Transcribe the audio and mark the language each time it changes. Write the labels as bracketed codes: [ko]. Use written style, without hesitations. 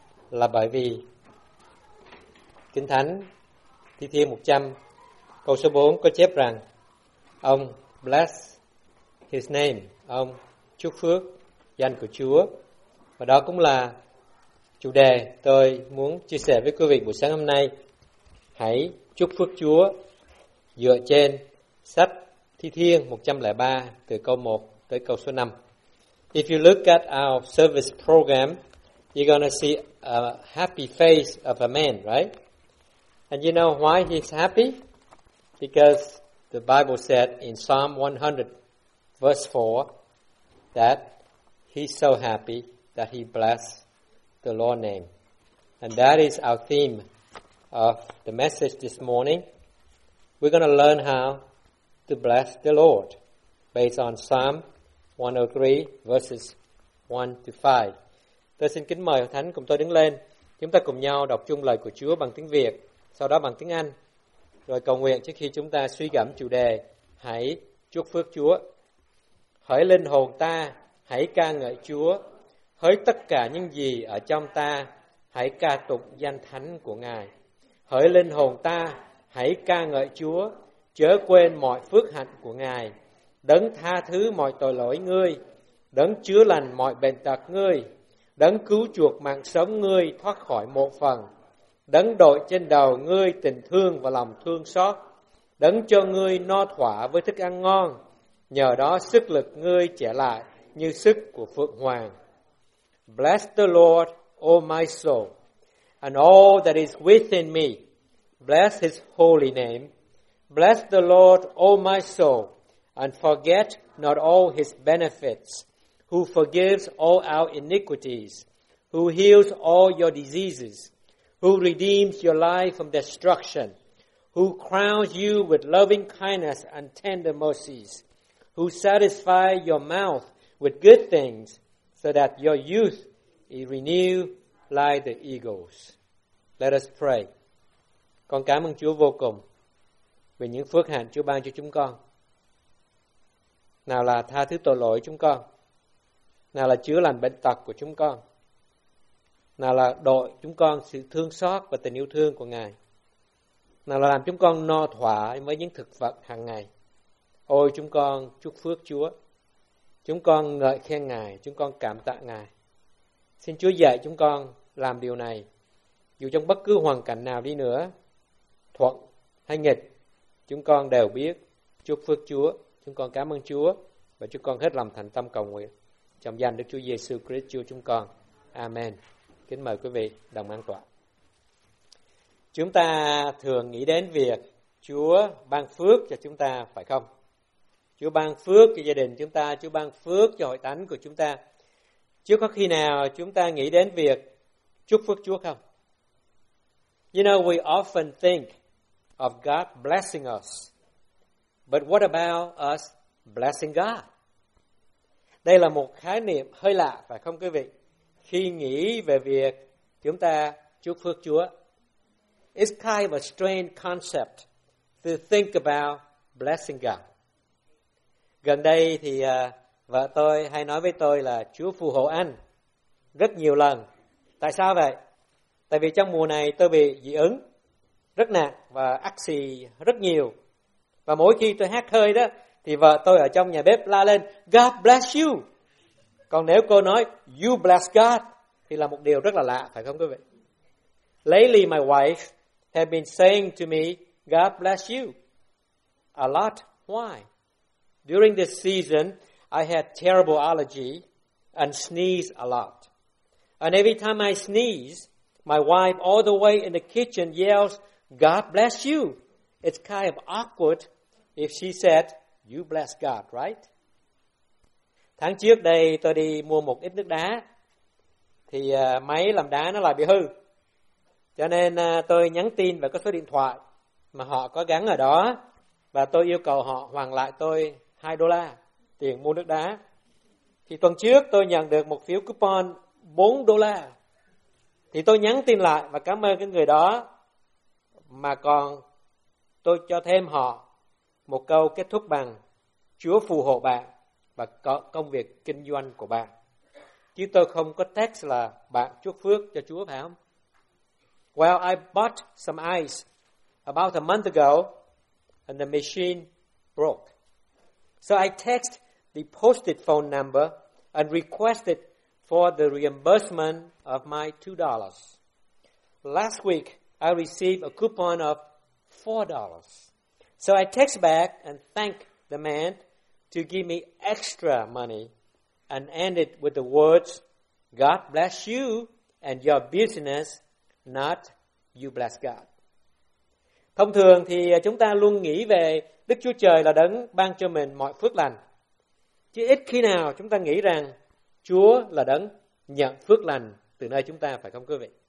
[vi] Là bởi vì Kinh Thánh Thi Thiên 100 câu số 4 có chép rằng ông [en] bless his name, [vi] ông chúc phước danh của Chúa. Và đó cũng là chủ đề tôi muốn chia sẻ với quý vị buổi sáng hôm nay. Hãy chúc phước Chúa dựa trên sách Thi Thiên 103 từ câu 1 tới câu số 5. [en] If you look at our service program, you're going to see a happy face of a man, right? And you know why he's happy? Because the Bible said in Psalm 100 verse 4 that he's so happy that he blessed the Lord's name. And that is our theme of the message this morning. We're going to learn how to bless the Lord based on Psalm 103 verses 1 to 5. [vi] Tôi xin kính mời Thánh cùng tôi đứng lên. Chúng ta cùng nhau đọc chung lời của Chúa bằng tiếng Việt, sau đó bằng tiếng Anh. Rồi cầu nguyện trước khi chúng ta suy gẫm chủ đề, hãy chúc phước Chúa. Hỡi linh hồn ta, hãy ca ngợi Chúa. Hỡi tất cả những gì ở trong ta, hãy ca tụng danh thánh của Ngài. Hỡi linh hồn ta, hãy ca ngợi Chúa, chớ quên mọi phước hạnh của Ngài. Đấng tha thứ mọi tội lỗi ngươi, đấng chữa lành mọi bệnh tật ngươi, đấng cứu chuộc mạng sống ngươi thoát khỏi một phần, đấng đội trên đầu ngươi tình thương và lòng thương xót, đấng cho ngươi no thỏa với thức ăn ngon, nhờ đó sức lực ngươi trẻ lại như sức của phượng hoàng. [en] Bless the Lord, O my soul, and all that is within me. Bless his holy name. Bless the Lord, O my soul, and forget not all his benefits, who forgives all our iniquities, who heals all your diseases, who redeems your life from destruction, who crowns you with loving kindness and tender mercies, who satisfies your mouth with good things, so that your youth is renewed like the eagles. Let us pray. [vi] Con cảm ơn Chúa vô cùng vì những phước hạnh Chúa ban cho chúng con. Nào là tha thứ tội lỗi chúng con, nào là chữa lành bệnh tật của chúng con, nào là đội chúng con sự thương xót và tình yêu thương của Ngài, nào là làm chúng con no thỏa với những thực vật hàng ngày. Ôi chúng con chúc phước Chúa. Chúng con ngợi khen Ngài, chúng con cảm tạ Ngài. Xin Chúa dạy chúng con làm điều này, dù trong bất cứ hoàn cảnh nào đi nữa, thuận hay nghịch, chúng con đều biết chúc phước Chúa. Chúng con cảm ơn Chúa và chúng con hết lòng thành tâm cầu nguyện trong danh Đức Chúa Giêsu Christ Chúa chúng con. Amen. Kính mời quý vị đồng an tọa. Chúng ta thường nghĩ đến việc Chúa ban phước cho chúng ta, phải không? Chúa ban phước cho gia đình chúng ta, Chúa ban phước cho hội thánh của chúng ta. Chưa có khi nào chúng ta nghĩ đến việc chúc phước Chúa không? [en] You know, we often think of God blessing us. But what about us blessing God? [vi] Đây là một khái niệm hơi lạ, phải không quý vị? Khi nghĩ về việc chúng ta chúc phước Chúa. [en] It's kind of a strange concept to think about blessing God. [vi] Gần đây thì vợ tôi hay nói với tôi là Chúa phù hộ anh rất nhiều lần. Tại sao vậy? Tại vì trong mùa này tôi bị dị ứng rất nặng và ắc xì rất nhiều. Và mỗi khi tôi hát hơi đó, thì vợ tôi ở trong nhà bếp la lên, [en] God bless you. [vi] Còn nếu cô nói, [en] you bless God, [vi] thì là một điều rất là lạ, phải không quý vị? [en] Lately my wife have been saying to me, God bless you. A lot. Why? During this season, I had terrible allergy and sneeze a lot. And every time I sneeze, my wife all the way in the kitchen yells, God bless you. It's kind of awkward if she said, you bless God, right? [vi] Tháng trước đây, tôi đi mua một ít nước đá. Thì máy làm đá nó lại bị hư. Cho nên tôi nhắn tin và có số điện thoại mà họ có gắn ở đó. Và tôi yêu cầu họ hoàn lại tôi $2 tiền mua nước đá. Thì tuần trước tôi nhận được một phiếu coupon $4. thì tôi nhắn tin lại và cảm ơn cái người đó, mà còn tôi cho thêm họ một câu kết thúc bằng Chúa phù hộ bạn và công việc kinh doanh của bạn. Chứ tôi không có text là bạn chúc phước cho Chúa, phải không? [en] Well, I bought some ice about a month ago and the machine broke. So I text the posted phone number and requested for the reimbursement of my $2. Last week, I received a coupon of $4. So I text back and thank the man to give me extra money and ended with the words, God bless you and your business, not you bless God. [vi] Thông thường thì chúng ta luôn nghĩ về Đức Chúa Trời là đấng ban cho mình mọi phước lành. Chứ ít khi nào chúng ta nghĩ rằng Chúa là đấng nhận phước lành từ nơi chúng ta, phải không quý vị?